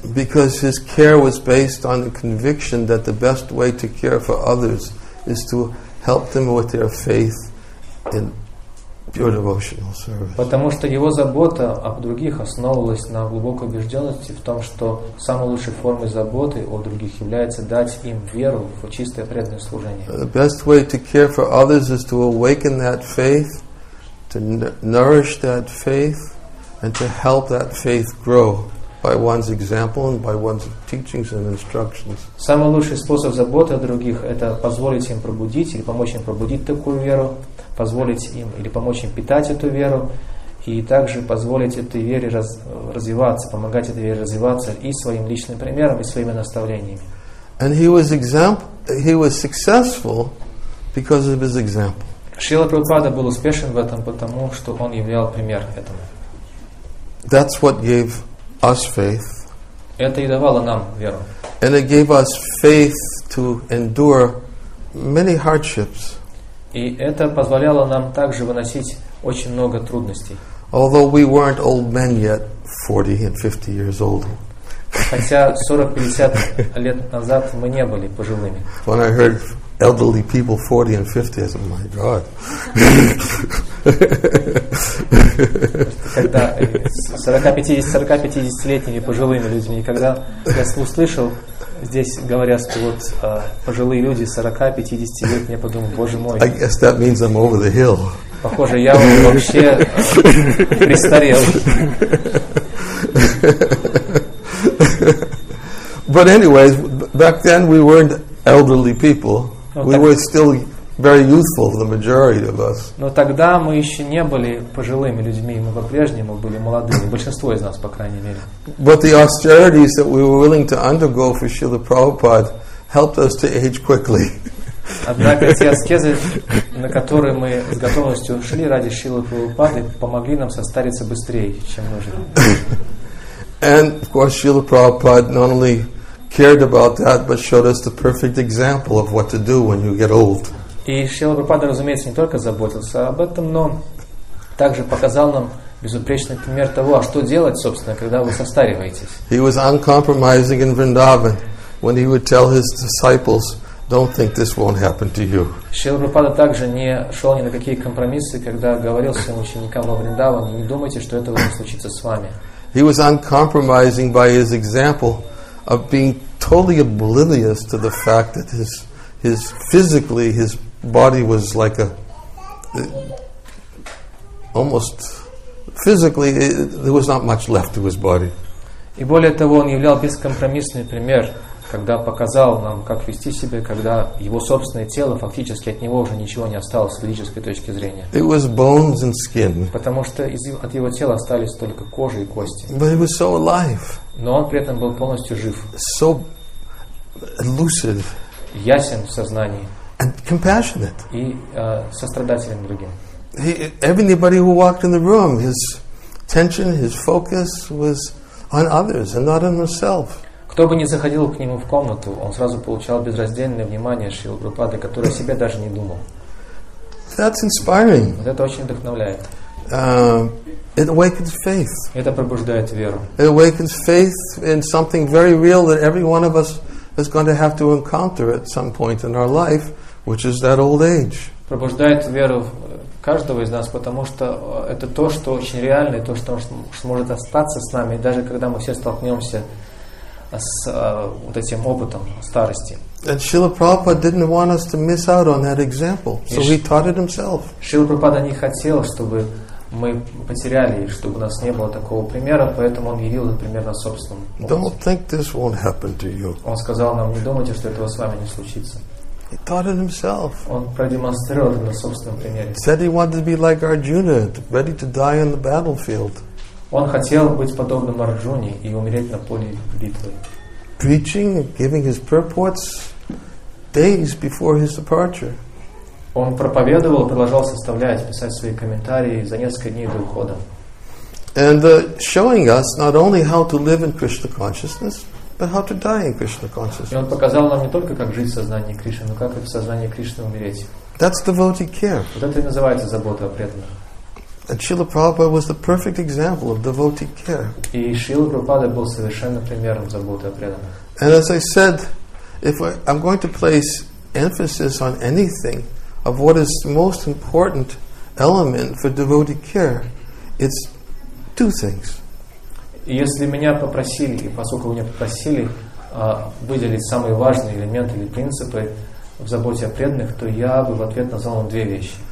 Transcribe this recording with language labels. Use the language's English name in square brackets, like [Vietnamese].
[English] Because his care was based on the conviction that the best way to care for others is to help them with their faith in pure devotional service. [Russian] Потому что его забота о других основывалась на глубокой убежденности в том, что самой лучшей формой заботы о других является дать им веру в чистое преданное служение. [English] The best way to care for others is to awaken that faith, to nourish that faith and to help that faith grow by one's example and by one's teachings and instructions. [Russian] Самый лучший способ заботы о других – это позволить им пробудить или помочь им пробудить такую веру, позволить им или помочь им питать эту веру, и также позволить этой вере развиваться, помогать этой вере развиваться и своим личным примером, и своими наставлениями. [English] And he was successful because of his example. [Russian] Шрила Прабхупада был успешен в этом, потому что он являл пример этому. [English] That's what gave us faith. [Russian] Это и давало нам веру. [English] And it gave us faith to endure many hardships. [Russian] И это позволяло нам также выносить очень много трудностей. [English] Although we weren't old men yet, 40 and 50 years old. [Russian] Хотя 40-50 лет назад мы не были пожилыми. [English] When I heard elderly people 40 and 50, I said, my God. [Russian] Когда 40-50-летними пожилыми людьми, когда я услышал здесь говорят, что вот пожилые люди 40-50 лет, я подумал, боже мой. [English] I guess that means I'm over the hill. [Russian] Похоже, я вообще престарел. [English] But anyways, back then we weren't elderly people. We were still very youthful, the majority of us. [Russian] Но тогда мы еще не были пожилыми людьми, мы по-прежнему были молодыми, большинство из нас, по крайней мере. [English] But the austerities that we were willing to undergo for Srila Prabhupada helped us to age quickly. [Russian] Однако те аскезы, на которые мы с готовностью шли ради Шрилы Прабхупады, помогли нам состариться быстрее, чем нужно. [English] And of course, Srila Prabhupada not only cared about that, but showed us the perfect example of what to do when you get old. [Russian] И Шрила Прабхупада, разумеется, не только заботился об этом, но также показал нам безупречный пример того, а что делать, собственно, когда вы состариваетесь. [English] He was uncompromising in Vrindavan when he would tell his disciples, "Don't think this won't happen to you." [Russian] Шрила Прабхупада также не шел ни на какие компромиссы, когда говорил своим ученикам во Вриндаване, "Не думайте, что этого не случится с вами." [English] He was uncompromising by his example of being totally oblivious to the fact that his physically his body was like a almost physically there was not much left to his body. [Russian] И более того, он являл бескомпромиссный пример, когда показал нам, как вести себя, когда его собственное тело фактически от него уже ничего не осталось с физической точки зрения. [English] It was bones and skin. [Russian] Потому что от его тела остались только кожа и кости. [English] But he was so alive. [Russian] Но он при этом был полностью жив. [English] So lucid. [Russian] Ясен в сознании. [English] And compassionate. [Russian] И сострадателен другим. [English] Everybody who walked in the room, his attention, his focus was on others and not on himself. [Russian] Кто бы ни заходил к нему в комнату, он сразу получал безраздельное внимание Шрилы Прабхупады, который о себе даже не думал. [English] That's inspiring. [Russian] Вот это очень вдохновляет. [English] It awakens faith. [Russian] Это пробуждает веру. [English] It awakens faith in something very real that every one of us is going to have to encounter at some point in our life, which is that old age. [Russian] Пробуждает веру каждого из нас, потому что это то, что очень реально, и то, что может остаться с нами, даже когда мы все столкнемся с вот этим опытом старости. [English] And Srila Prabhupada didn't want us to miss out on that example, so he taught it himself. [Russian] Шрила Прабхупада не хотел, чтобы мы потеряли, чтобы у нас не было такого примера, поэтому он явил этот пример на собственном опыте. [English] Don't think this won't happen to you. [Russian] Он сказал нам: не думайте, что этого с вами не случится. [English] He taught it himself. [Russian] Он продемонстрировал это на собственном примере. [English] Said he wanted to be like Arjuna, ready to die on the battlefield. [Russian] Он хотел быть подобным Арджуне и умереть на поле битвы. [English] Preaching, giving his purports days before his departure. [Russian] Он проповедовал, продолжал составлять, писать свои комментарии за несколько дней до ухода. [English] And showing us not only how to live in Krishna consciousness, but how to die in Krishna consciousness. [Russian] И он показал нам не только, как жить в сознании Кришны, но как и в сознании Кришны умереть. [English] That's devotee care. [Russian] Вот это и называется забота о преданных. [English] And Srila Prabhupada was the perfect example of devotee care. [Russian] И Шрила Прабхупада был совершенным примером заботы о преданных. [English] And as I said, if I'm going to place emphasis on anything of what is the most important element for devotee care, it's two things. [Russian] Если меня попросили, и поскольку меня попросили выделить самые важные элементы или принципы в заботе о преданных, то я бы в ответ назвал вам две вещи.